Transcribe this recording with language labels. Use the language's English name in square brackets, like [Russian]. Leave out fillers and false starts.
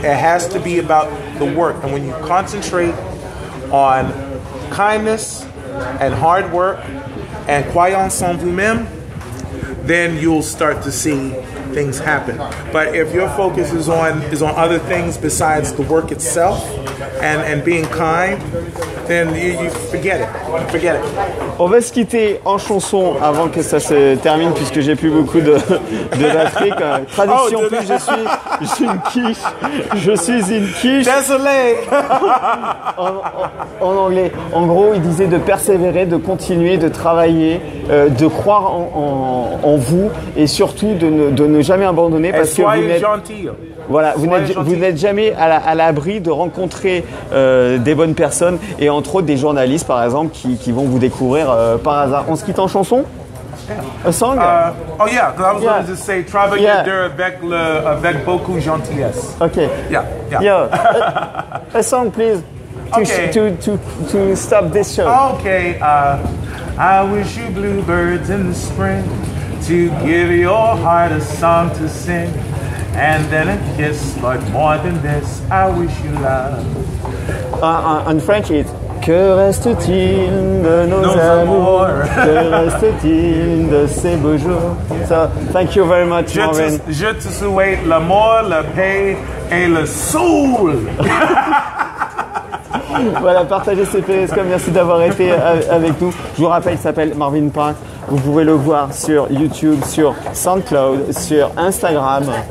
[English] It has to be about the work. And when you concentrate on kindness and hard work and [French] croyance en vous-même, [English] then you'll start to see things happen. But if your focus is on other things besides the work itself and being kind, then you forget it. Forget it. [French] On va se quitter en chanson avant que ça se termine, puisque j'ai plus beaucoup de batterie. Quoi. Tradition, oh, plus je suis une quiche. Désolé. En anglais. En gros, il disait de persévérer, de continuer, de travailler, de croire en vous et surtout de ne jamais abandonner parce que vous n'êtes jamais à l'abri de rencontrer des bonnes personnes et entre autres des journalistes par exemple qui vont vous découvrir par hasard. On se quitte en chanson? [English] Yeah. A song? Oh yeah, because I was going to just say travel you there [French] avec beaucoup gentillesse. [English] Okay. Yeah. Yeah. A song please to stop this show. Okay. I wish you bluebirds in the spring. To give your heart a song to sing, and then a kiss, but more than this, I wish you love. [French] En [English] French, it's [French] Que reste-t-il de nos amours? Que reste-t-il de ces beaux jours? [English] So, thank you very much, Maureen. [French] Je te souhaite l'amour, la paix et le soul. Voilà, partagez ces périscopes, merci d'avoir été avec nous. Je vous rappelle, il s'appelle Marvin Prince. Vous pouvez le voir sur YouTube, sur SoundCloud, sur Instagram.